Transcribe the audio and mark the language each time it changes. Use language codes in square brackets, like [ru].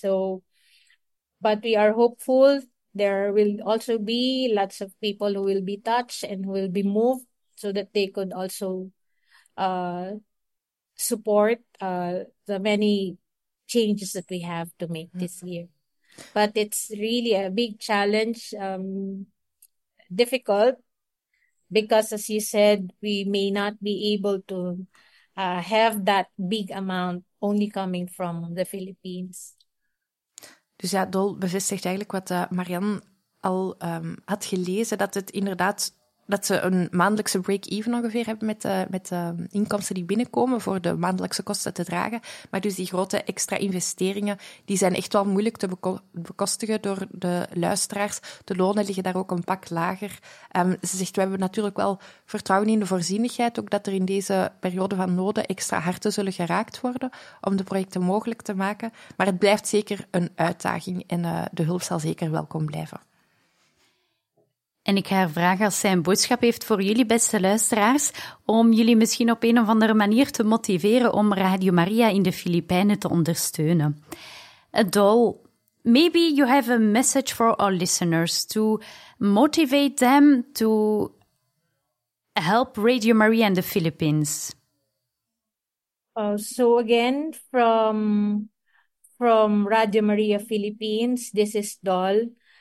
[en] So, but we are hopeful. There will also be lots of people who will be touched and who will be moved so that they could also support the many changes that we have to make this year. But it's really a big challenge, difficult, because as you said, we may not be able to have that big amount only coming from the Philippines. [nl] Dus ja, Dol bevestigt eigenlijk wat Marianne al had gelezen, dat het inderdaad, dat ze een maandelijkse break-even ongeveer hebben met de inkomsten die binnenkomen voor de maandelijkse kosten te dragen. Maar dus die grote extra investeringen, die zijn echt wel moeilijk te bekostigen door de luisteraars. De lonen liggen daar ook een pak lager. Ze zegt, we hebben natuurlijk wel vertrouwen in de voorzienigheid, ook dat er in deze periode van noden extra harten zullen geraakt worden om de projecten mogelijk te maken. Maar het blijft zeker een uitdaging en de hulp zal zeker welkom blijven. En ik ga haar vragen als zij een boodschap heeft voor jullie, beste luisteraars, om jullie misschien op een of andere manier te motiveren om Radio Maria in de Filipijnen te ondersteunen. [en] Dol, maybe you have a message for our listeners to motivate them to help Radio Maria in the Philippines. So again, from Radio Maria Philippines, this is Dol.